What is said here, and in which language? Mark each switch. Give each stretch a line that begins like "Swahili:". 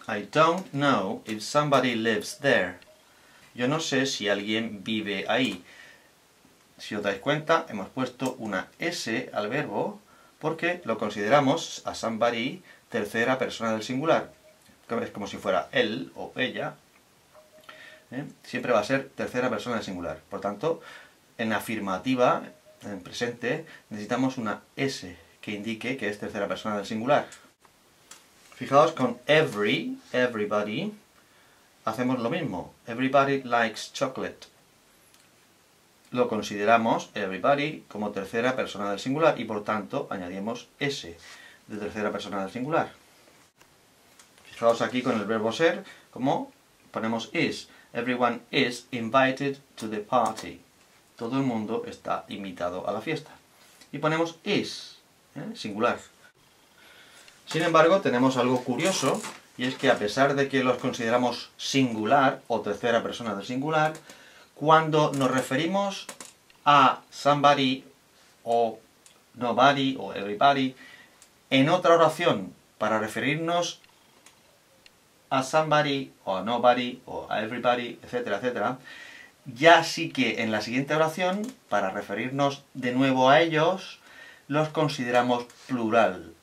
English: I don't know if somebody lives there.
Spanish: Yo no sé si alguien vive ahí. Si os dais cuenta, hemos puesto una S al verbo porque lo consideramos a somebody tercera persona del singular. Es como si fuera él o ella. Siempre va a ser tercera persona del singular. Por tanto, en afirmativa, en presente, necesitamos una S que indique que es tercera persona del singular. Fijaos con every, everybody. Hacemos lo mismo.
English: Everybody likes chocolate.
Spanish: Lo consideramos everybody como tercera persona del singular y por tanto añadimos S de tercera persona del singular. Fijaos aquí con el verbo ser, como ponemos is.
English: Everyone is invited to the party.
Spanish: Todo el mundo está invitado a la fiesta. Y ponemos is, singular. Sin embargo, tenemos algo curioso. Y es que a pesar de que los consideramos singular o tercera persona del singular, cuando nos referimos a somebody o nobody o everybody, en otra oración para referirnos a somebody o a nobody o a everybody, etcétera, etcétera, ya sí que en la siguiente oración, para referirnos de nuevo a ellos, los consideramos plural.